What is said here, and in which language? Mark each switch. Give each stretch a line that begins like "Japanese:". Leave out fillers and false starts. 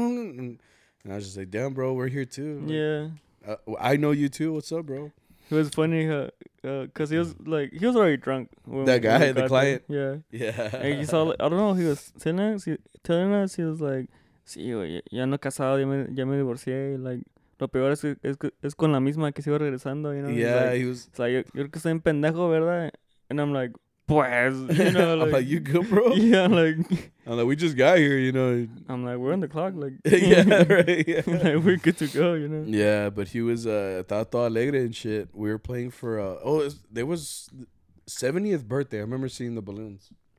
English: And I was just like, damn, bro, we're here too. Like, yeah. I know you too. What's up, bro? It was funny because he was already drunk. That guy, the client? Him. Yeah. Yeah. And he saw, like, I don't know, he was telling us, he was like,
Spanish: sí, ya no casado, ya me divorcié. Like, lo peor es con la misma que sigo regresando,
English: you know? Yeah, like, he was. It's like,
Spanish: yo creo que estoy en pendejo, ¿verdad?
English: And I'm like, pues. You know, like, I'm like, you good, bro? Yeah, I'm like. I'm like, we just got here, you know? I'm like, we're on the clock. Like, yeah, right. Yeah. Like, we're good to go, you know? Yeah, but he was Tato Alegre and shit. We were playing for, there was 70th birthday. I remember seeing the balloons.